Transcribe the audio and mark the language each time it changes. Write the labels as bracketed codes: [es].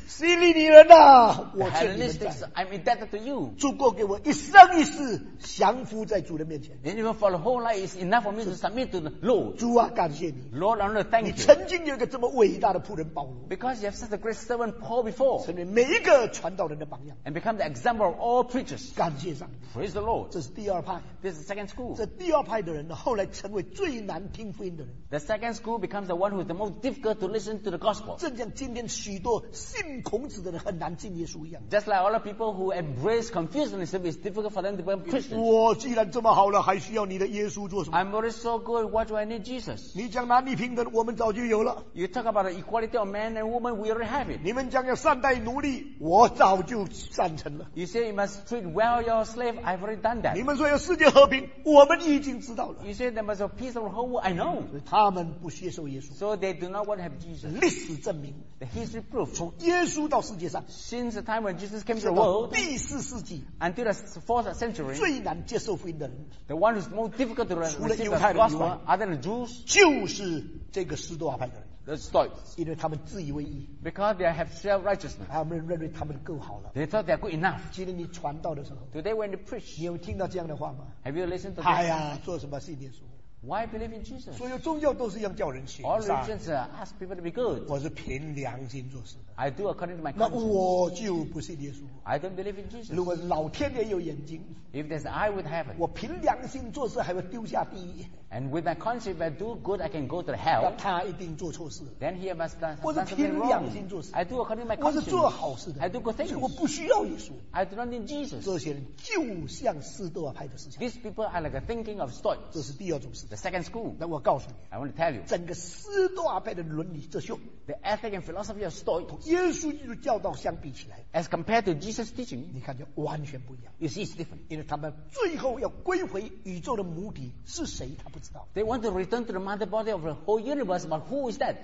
[zh] 希利尼人啊，我欠你们债。 [en] I'm indebted to you. [zh] 足够给我一生一世降服在主的面前。 [en] And even for the whole life is enough for me to submit to the Lord. [zh] 主啊，感谢你。 [en] Lord, I want to thank you. [zh] 你曾经有一个这么伟大的仆人保罗。 [en] Because you have such a great servant Paul before. [zh] 成为每一个传道人的榜样。 [en] And become the example of all preachers. [zh] 感谢上帝。 [en] Praise the Lord. [zh] 这是第二派。 [en] This is the second school. [zh] 这第二派的人后来成为最难听福音的人。 [en] The second school becomes the one who is the most difficult to listen to the gospel. [zh] 正像今天许多信孔子的人很难进耶稣一样。 [en] Just like all the people who embrace Confucianism, it's difficult for them to become Christians. [zh] 我既然这么好了，还需要你的耶稣做什么？ [en] I'm already so good. Why do I need Jesus? [zh] 你讲男女平等，我们早就有了。 [en] You talk about the equality of man and woman, we already have it. [zh] 你们讲要善待奴隶，我早就善成了。 [en] You say you must treat well your slave, I've already done that. [zh] 你们说要世界和平，我们已经知道了。 [en] You say there must be peace of whole world, I know. [zh] 他们不接受耶稣。 [en] So they do not want to have Jesus. [zh] 历史证明。 [en] The history proof. [zh] 从耶稣到世界上。 [en] Since the time when Jesus came to the world. [zh] 第四世纪。 [en] Until the fourth century. [zh] 最难接受福音的人。 [en] The one who's most difficult to receive the gospel, other than the Jews. [zh] 就是这个十多派的人。 [en] The Stoics. [zh] 因为他们自以为义。 [en] Because they have self-righteousness. [zh] 他们认为他们够好了。 [en] They thought they're good enough. [zh] 今天你传道的时候。 [en] Today when you preach. [zh] 你有听到这样的话吗？ [en] Have you listened to this? [zh] 哎呀，做什么信耶稣？ [en] Why believe in Jesus? [zh] 所有宗教都是一样叫人行善。 [en] All religions ask people to be good. [zh] 我是凭良心做事的。 [en] I do according to my conscience. [zh] 那我就不信耶稣。 [en] I don't believe in Jesus. [zh] 如果老天爷有眼睛。 [en] If there's eye with heaven. [zh] 我凭良心做事还会丢下地狱。 [en] And with my conscience, if I do good, I can go to hell. [zh] 那他一定做错事。 [en] Then he must have done something wrong. [zh] 我是凭良心做事。 [en] I do according to my conscience. [zh] 我是做好事的。 [en] I do good things. [zh] 所以我不需要耶稣。 [en] I do not need Jesus. [zh] 这些人就像斯多亚派的思想。 [en] These people are like a thinking of Stoics. [zh] 这是第二种思想。 [en] Second school. [zh] 那我告诉你， [en] I want to tell you, [zh] 整个斯多亚派的伦理哲学， [en] the ethic and philosophy of Stoics, [zh] 同耶稣基督教导相比起来， [en] as compared to Jesus' teaching, [zh] 你看就完全不一样。 [en] You see, it's different. [zh] 因为他们最后要归回宇宙的母体是谁，他不知道。 [en] They want to return to the mother body of the whole universe, but who is that?